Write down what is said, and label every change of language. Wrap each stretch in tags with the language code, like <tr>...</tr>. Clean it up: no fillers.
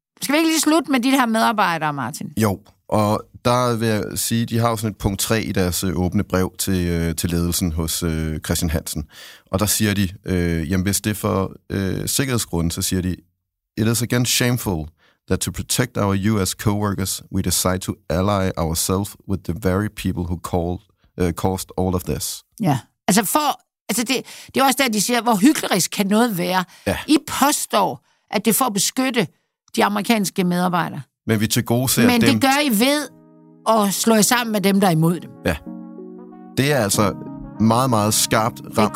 <da>Skal vi ikke lige slutte med de her medarbejdere, Martin? Jo, og der vil jeg sige, at de har jo sådan et punkt 3 i deres åbne brev til ledelsen hos Christian Hansen. Og der siger de,</da> <en>jamen hvis det er for sikkerhedsgrunden, så siger de, it is again shameful that to protect our US co-workers, we decide to ally ourselves with the very people who caused all of this.</en> <da>Ja, altså det er også der, de siger, hvor hyklerisk kan noget være. Ja. I påstår, at det får beskytte de amerikanske medarbejdere. Men vi til gode ser dem... Men det gør I ved at slå jer sammen med dem, der er imod dem. Ja. Det er altså meget, meget skarpt ramt</da>